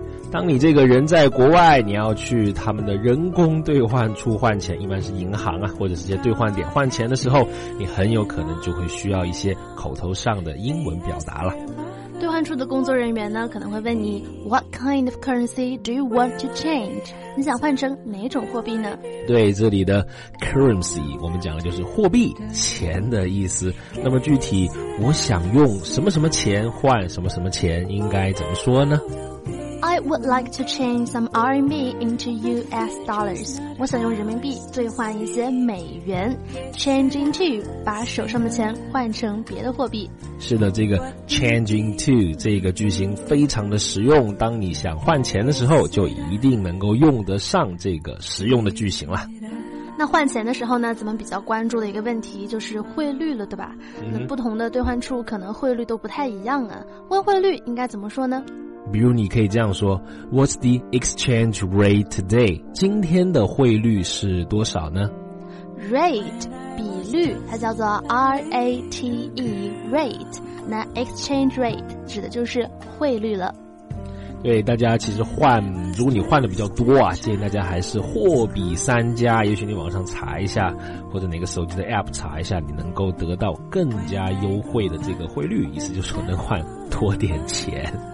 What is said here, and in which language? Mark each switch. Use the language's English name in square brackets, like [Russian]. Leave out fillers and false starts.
[Chinese] 当你这个人在国外，你要去他们的人工兑换处换钱，一般是银行啊，或者是些兑换点换钱的时候，你很有可能就会需要一些口头上的英文表达了。兑换处的工作人员呢，可能会问你 [English] What kind of currency do you want to change? [Chinese] 你想换成哪种货币呢？对，这里的 currency 我们讲的就是货币，钱的意思。那么具体我想用什么什么钱换什么什么钱，应该怎么说呢？ [English] I would like to change some RMB into US dollars. [Chinese] 我想用人民币兑换一些美元。Change into, 把手上的钱换成别的货币。是的，这个 change into 这个句型非常的实用，当你想换钱的时候就一定能够用得上这个实用的句型了。那换钱的时候呢，咱们比较关注的一个问题就是汇率了，对吧？那不同的兑换处可能汇率都不太一样啊。问汇率应该怎么说呢？比如你可以这样说 [English] What's the exchange rate today? [Chinese] 今天的汇率是多少呢？ Rate 比率，它叫做 R-A-T-E Rate， 那 exchange rate 指的就是汇率了。对，大家其实换，如果你换的比较多啊，建议大家还是货比三家，也许你网上查一下，或者哪个手机的 app 查一下，你能够得到更加优惠的这个汇率，意思就是说能换多点钱。